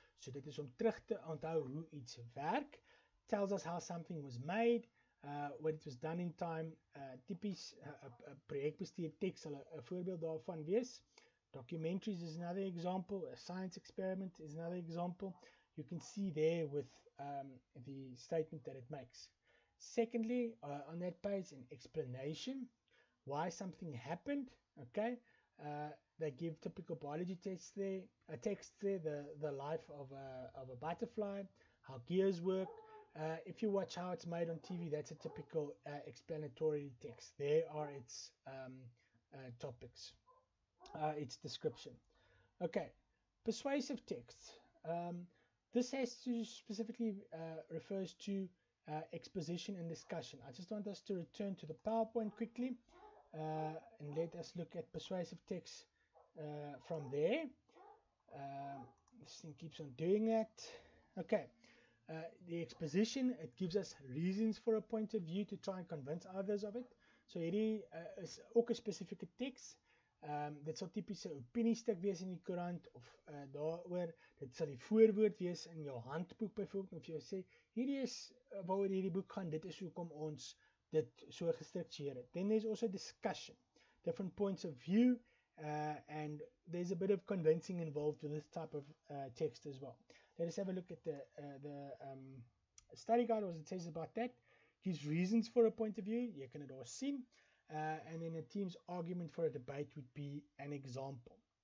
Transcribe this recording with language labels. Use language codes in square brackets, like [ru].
[af] So dit is om terug te onthou hoe iets werk. [en] Tells us how something was made, when it was done in time. [af] Typisch, projectbestuur tekst sal een voorbeeld daarvan wees. [en] Documentaries is another example. A science experiment is another example. You can see there with the statement that it makes. Secondly, on that page, an explanation. Why something happened, okay? They give typical biology tests there, a text there, the life of a butterfly, how gears work. If you watch How It's Made on TV, that's a typical explanatory text. There are its topics, its description. Okay, persuasive text. This has to specifically refers to exposition and discussion. I just want us to return to the PowerPoint quickly and let us look at persuasive text from there. This thing keeps on doing that. Okay, the exposition, it gives us reasons for a point of view to try and convince others of it. So it is ook a specific text. [af] Dit sal typies 'n opiniestuk wees in die koerant of daaroor. Dit sal die voorwoord wees in jou handboek byvoorbeeld, of jy sê hierdie is waaroor hierdie boek gaan, dit is hoekom ons dit so gestruktureer het. [en] Then there's also discussion, different points of view, and there's a bit of convincing involved with this type of text as well. Let us have a look at the study guide, what it says about that. Gives reasons for a point of view, [af] jy kan dit al sien. [en] And then a team's argument for a debate would be an example.